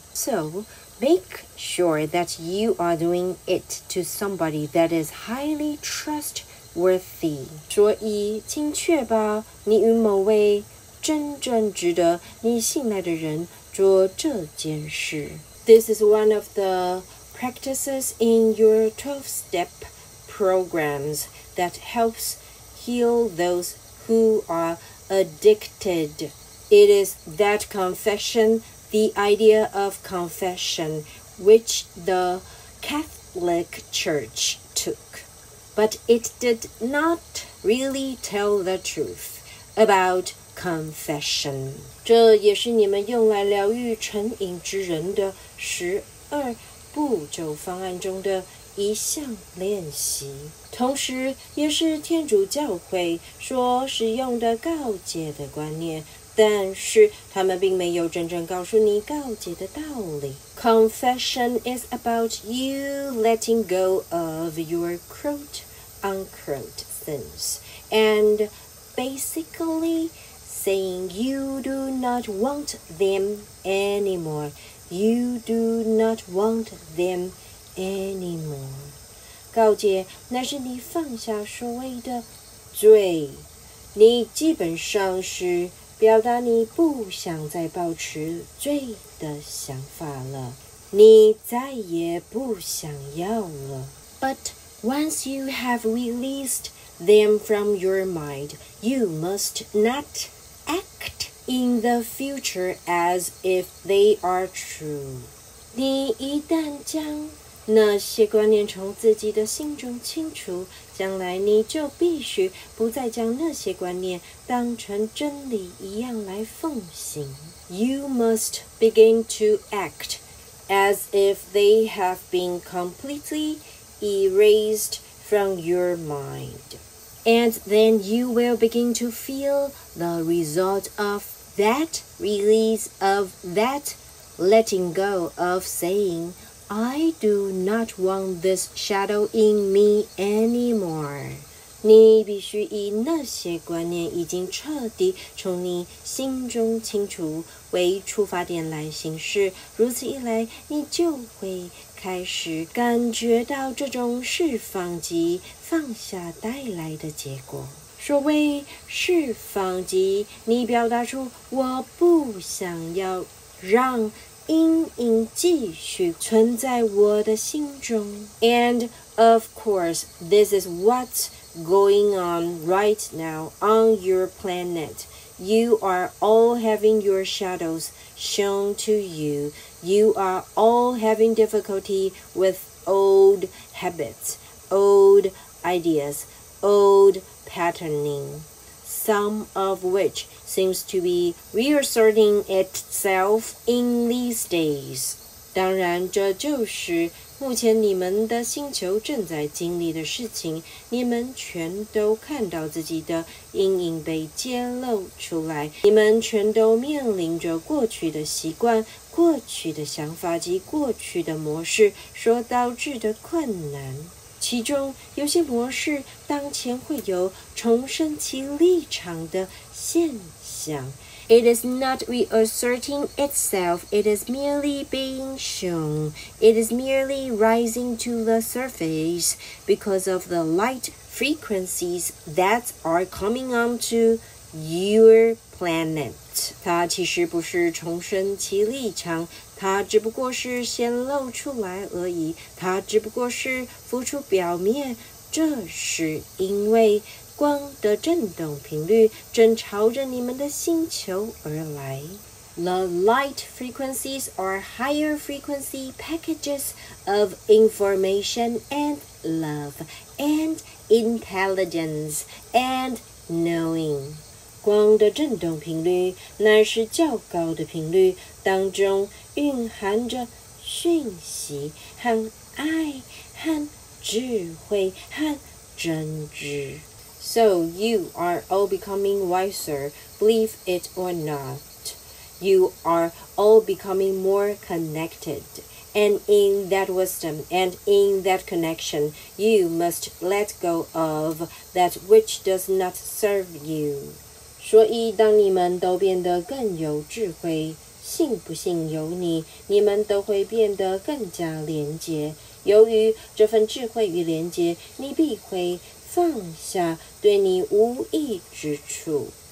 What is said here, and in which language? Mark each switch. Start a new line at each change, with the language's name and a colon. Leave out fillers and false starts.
English: So make sure that you are doing it to somebody that is highly trustworthy.
Chinese: 所以请确保你与某位真正值得你信赖的人做这件事。
English: This is one of the practices in your 12-step programs that helps heal those who are addicted. It is that confession, the idea of confession, which the Catholic Church took. But it did not really tell the truth about confession.
Chinese: 这也是你们用来疗愈成瘾之人的十二步骤方案中的一项练习，同时也是天主教会所使用的告诫的观念，但是他们并没有真正告诉你告诫的道理。
English: Confession is about you letting go of your quote unquote sins and basically saying you do not want them anymore. You do not want them. Anymore.
Chinese: 告诫乃是你放下所谓的罪，你基本上是表达你不想再保持罪的想法了，你再也不想要了。
English: But once you have released them from your mind, you must not act in the future as if they are true.
Chinese: 你一旦将那些观念从自己的心中清除，将来你就必须不再将那些观念当成真理一样来奉行。
English: You must begin to act as if they have been completely erased from your mind. And then you will begin to feel the result of that release, of that letting go of saying,I do not want this shadow in me anymore.
Chinese: 你必须以那些观念已经彻底从你心中清除为出发点来行事，如此一来，你就会开始感觉到这种释放及放下带来的结果。所谓释放及你表达出我不想要让阴影继续存在我的心中。
English: And of course, this is what's going on right now on your planet. You are all having your shadows shown to you. You are all having difficulty with old habits, old ideas, old patterning, some of which seems to be reasserting itself in these days.
Chinese: 当然，这就是目前你们的星球正在经历的事情。你们全都看到自己的阴影被揭露出来。你们全都面临着过去的习惯、过去的想法及过去的模式所导致的困难。其中有些模式当前会有重申其立场的现象。
English: It is not reasserting itself, it is merely being shown. It is merely rising to the surface because of the light frequencies that are coming onto your planet.
Chinese: 它其实不是重申其立场，它只不过是显露出来而已，它只不过是浮出表面。这是因为光的振动频率正朝着你们的星球而来。
English: The light frequencies are higher frequency packages of information and love and intelligence and knowing.
Chinese: 光的振动频率乃是较高的频率，当中蕴含着讯息和爱和智慧和真知。
English: So you are all becoming wiser, believe it or not. You are all becoming more connected. And in that wisdom and in that connection, you must let go of that which does not serve you.
Chinese: 所以当你们都变得更有智慧，信不信由你，你们都会变得更加廉洁。由于这份智慧与廉洁，你必会放下对你无益之处。